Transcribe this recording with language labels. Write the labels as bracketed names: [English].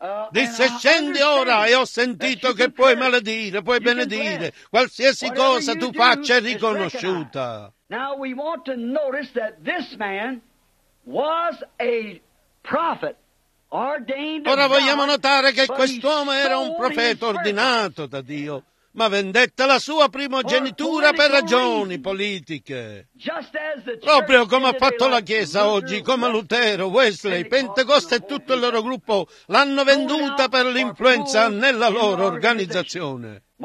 [Italian] Disse, scendi ora, e ho sentito che puoi maledire, puoi benedire. Qualsiasi cosa tu faccia è riconosciuta. [English] Now we want to notice that this man was a prophet ordained. [Italian] Ora vogliamo notare che quest'uomo era un profeta ordinato da Dio, ma vendette la sua primogenitura per ragioni politiche. Proprio come ha fatto la Chiesa oggi, come Lutero, Wesley, Pentecoste e tutto il loro gruppo l'hanno venduta per l'influenza nella loro organizzazione.